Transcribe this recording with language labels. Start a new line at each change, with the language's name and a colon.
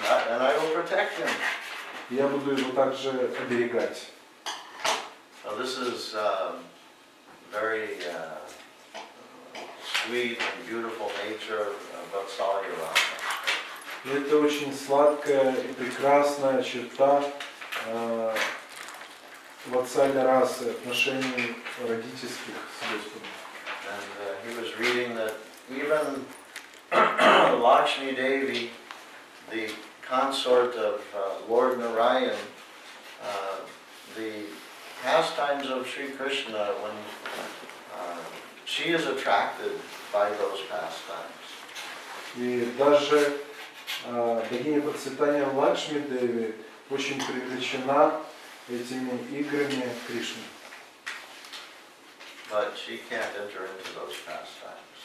English: And I will protect him.
Russian: Я буду его также оберегать.
English: So this is very sweet and beautiful nature of Vatsalya.
Russian: Это очень сладкая и прекрасная черта Vatsalya расы, отношений родительских с детьми.
English: And he was reading that even Lakshmi Devi, the consort of Lord Narayan, the pastimes of Sri Krishna when she is attracted by those pastimes.
Russian: И даже богиня процветания Лакшми Деви очень привлечена этими играми Кришны.
English: But she can't enter into those pastimes.